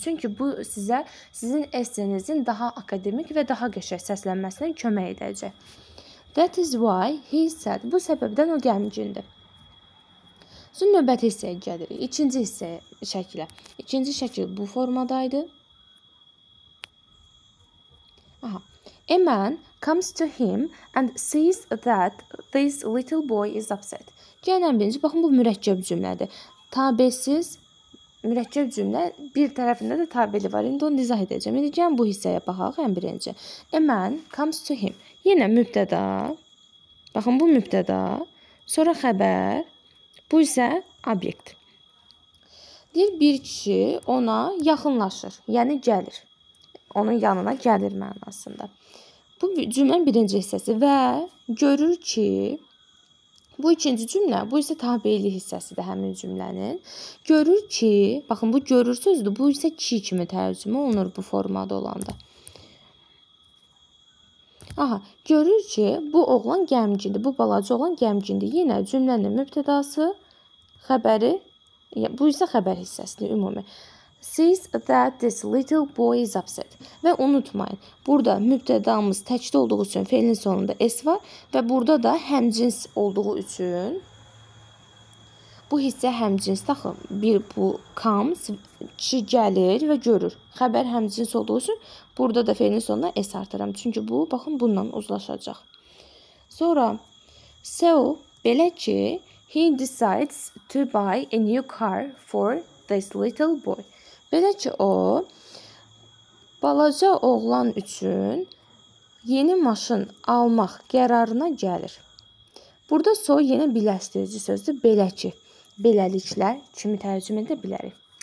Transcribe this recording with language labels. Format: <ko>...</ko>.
<az>Çünki bu sizə sizin essenizin daha akademik və daha qəşəng səslənməsinə kömək edəcək.</az> <en>That is why he said.</en> <az>Bu səbəbdən o gəmgindir. Sonra növbəti hissəyə gəlirik. İkinci hissə şəkilə. İkinci şəkil bu formadaydı. Aha.</az> <en>A man comes to him and sees that this little boy is upset.</en> <az>Gəlin birinci, baxın, bu mürəkkəb cümlədir. Tabesiz mürəkkəb cümlə bir tərəfində də tabeli var. İndi onu izah edəcəm. İndi gəlin bu hissəyə baxaq, ən birinci.</az> <en>A man comes to him.</en> <az>Yenə mübtəda. Baxın, bu mübtəda. Sonra xəbər. Bu isə obyekt. Deyir, bir kişi ona yaxınlaşır. Yəni, gəlir. Onun yanına gəlir mənasında. Bu cümlənin birinci hissəsi və görür ki, bu ikinci cümlə, bu isə tabeli hissəsidir həmin cümlənin. Görür ki, baxın, bu görür sözdür, bu isə ki kimi tərcümə olunur bu formada olanda. Aha, görür ki, bu oğlan gəmgindir, bu balaca oğlan gəmgindir. Yenə cümlənin mübtədası, xəbəri, bu isə xəbər hissəsidir ümumi.</az> <en>Sees that this little boy is upset.</en> <az>Və unutmayın, burada mübtədamız təkdə olduğu üçün felin sonunda s var və burada da həmcins olduğu üçün bu hissə həmcins, taxı, bir bu comes, ki gəlir və görür. Xəbər həmcins olduğu üçün burada da felin sonuna s artıram. Çünki bu, baxın, bununla uzlaşacaq. Sonra,</az> <en>so,</en> <az>belə ki,</az> <en>he decides to buy a new car for this little boy.</en> <az>Belə ki, o, balaca oğlan üçün yeni maşın almaq qərarına gəlir. Burada so yeni birləşdirici sözdür, belə ki, beləliklə, kimi tərcümə edə bilərik.</az>